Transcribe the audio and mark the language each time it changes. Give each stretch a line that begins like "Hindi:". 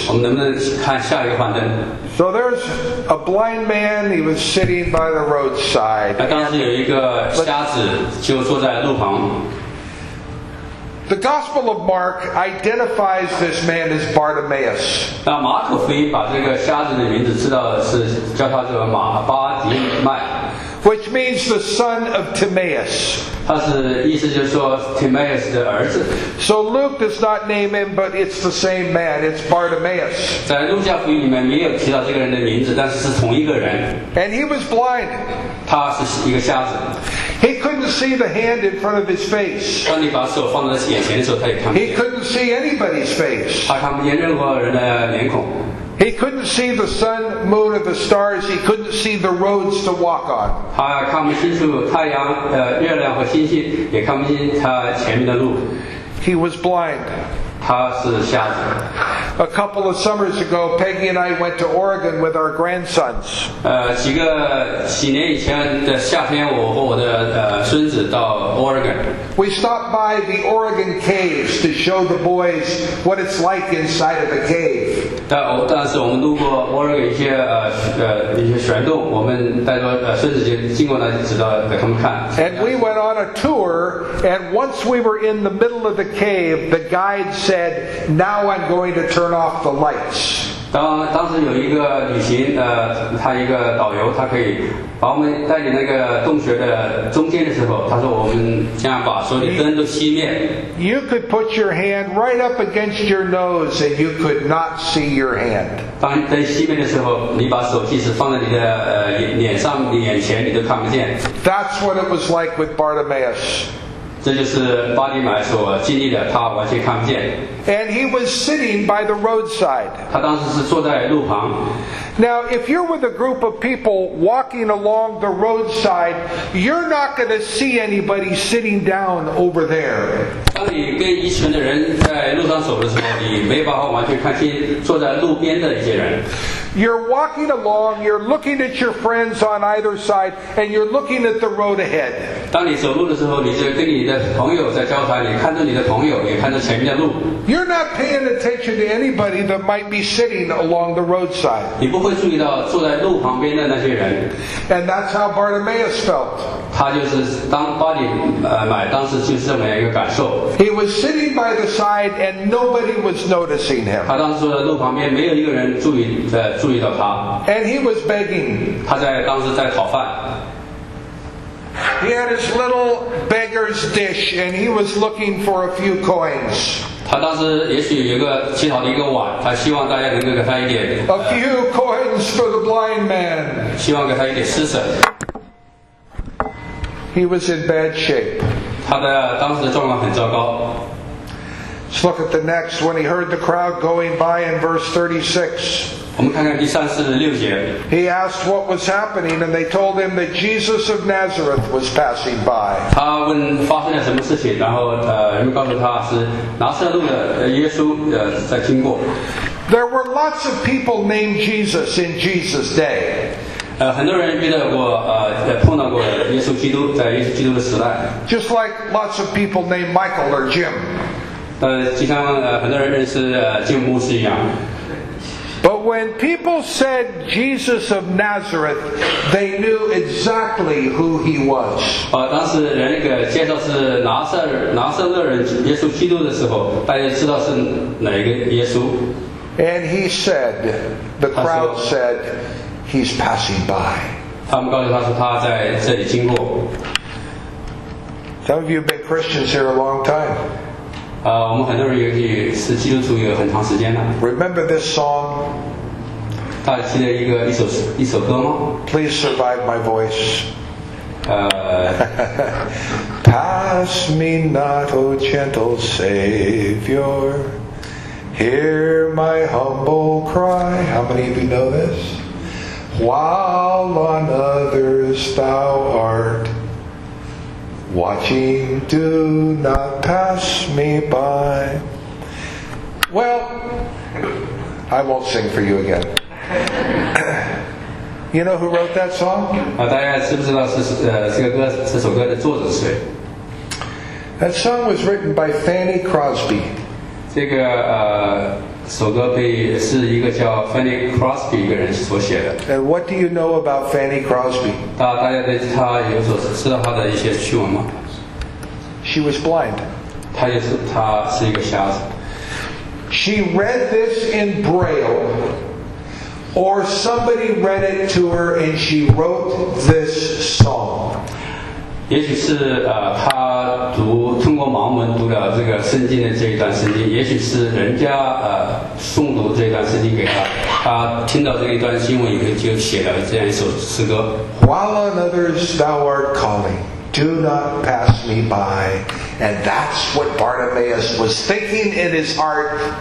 Chinese: 我们能不能看下一个幻灯？
English: So there's a blind man, he was sitting by the roadside.
Chinese: 那当时有一个瞎子就坐在路旁。
English: The Gospel of Mark identifies this man as Bartimaeus.
Chinese: 那马可福音把这个瞎子的名字知道是叫他做马巴迪麦。
English: Which means the son of Timaeus.
Chinese: 他是意思就是说 Timaeus 的儿子。
English: So Luke does not name him, but it's the same man. It's Bartimaeus.
Chinese: 在路加福音里面没有提到这个人的名字，但是是同一个人。
English: And he was blind.
Chinese: 他是一个瞎子。
English: He couldn't see the hand in front of his face.
Chinese: 当你把手放在眼前的时候，他也看不见。
English: He couldn't see anybody's face.
Chinese: 他看不见任何人的脸孔。
English: He couldn't see the sun, moon, or the stars. He couldn't see the roads to walk on.
Chinese: 他看不清楚太阳、月亮和星星，也看不清他前面的路。
English: He was blind.
Chinese: 他是瞎子。
English: A couple of summers ago, Peggy and I went to Oregon with our grandsons.
Chinese: 几年以前的夏天，我和我的孙子到 Oregon.
English: We stopped by the Oregon caves to show the boys what it's like inside of a cave.
Chinese: 但是我们路过 Oregon 一些玄洞，我们带着孙子经过那里，知道给他们看。
English: And we went on a tour, and once we were in the middle of the cave, the guide said, "Now I'm going to turn off the lights."
Chinese: 当时有一个旅行，他一个导游，他可以把我们带进那个洞穴的中间的时候，他说我们这样把所有的灯都熄灭。
English: You could put your hand right up against your nose and you could not see your hand.
Chinese: 当灯熄灭的时候，你把手即使放在你的脸上、你眼前，你都看不见。
English: That's what it was like with Bartimaeus.
Chinese: 这就是巴迪买所经历的，他完全看不见。
English: And he was sitting by the roadside.
Chinese: 他当时是坐在路旁。
English: Now, if you're with a group of people walking along the roadside, you're not going to see anybody sitting down over there.
Chinese: 当你跟一群的人在路上走的时候，你没办法完全看清坐在路边的一些人。
English: You're walking along, you're looking at your friends on either side, and you're looking at the road ahead.
Chinese: 当你走路的时候，你就跟你的朋友在交谈，你看着你的朋友，也看着前面的路。
English: You're not paying attention to anybody that might be sitting along the roadside.
Chinese: 你不会注意到坐在路旁边的那些人。
English: And that's how Bartimaeus felt.
Chinese: 他就是当巴迪买当时就是这么一个感受。
English: He was sitting by the side and nobody was noticing him.
Chinese: 他当时坐在路旁边，没有一个人注意到他。
English: And he was begging.
Chinese: 他当时在讨饭。
English: He had his little beggar's dish and he was looking for a few coins.
Chinese: 他当时也许有个乞讨的一个碗，他希望大家能够给他一点。
English: A few coins for the blind man.
Chinese: 希望给他一点施舍。
English: He was in bad shape.
Chinese: 他的当时的状况很糟糕。
English: Let's look at the next. When he heard the crowd going by in verse 36.
Chinese: 我们看看第三四六节。
English: He asked what was happening, and they told him that Jesus of Nazareth was passing by.
Chinese: 他问发生了什么事情，然后人们告诉他是拿撒勒的耶稣在经过。
English: There were lots of people named Jesus in Jesus' day.
Chinese: 很多人遇到过碰到过耶稣基督在耶稣基督的时代。
English: Just like lots of people named Michael or Jim.
Chinese: 就像很多人认识Jim牧师一样。
English: But when people said Jesus of Nazareth, they knew exactly who he was.
Chinese: 当时人给介绍是拿撒勒人耶稣基督的时候，大家知道是哪一个耶稣。
English: And he said, the crowd said, he's passing by.
Chinese: 他们告诉他说他在这里经过。
English: Some of you have been Christians here a long time.
Chinese: 我们很多人也是基督徒有很长时间了。
English: Remember this song?
Chinese: 他听了一个一首一首歌吗
English: ？Please survive my voice. Pass me not, O gentle Savior. Hear my humble cry. How many of you know this? While on others thou art watching, do not pass me by. Well, I won't sing for you again. You know who wrote that song?
Chinese: 大家知不知道这首歌的作者是谁？
English: That song was written by Fanny Crosby.
Chinese: 这个首歌是一个叫 Fanny Crosby 一个人所写的。
English: And what do you know about Fanny Crosby?
Chinese: 大家对她有所知道她的一些趣闻吗？
English: She was blind.
Chinese: 她是一个瞎子。
English: She read this in Braille, or somebody read it to her, and she wrote this song.
Chinese: 也许是她通过盲文读了这个圣经的这一段圣经，也许是人家诵读这一段圣经给她，她听到这一段经文以后就写了这样一首诗歌。
English: While on others thou art calling, do not pass me by. And that's what Bartimaeus was thinking in his heart.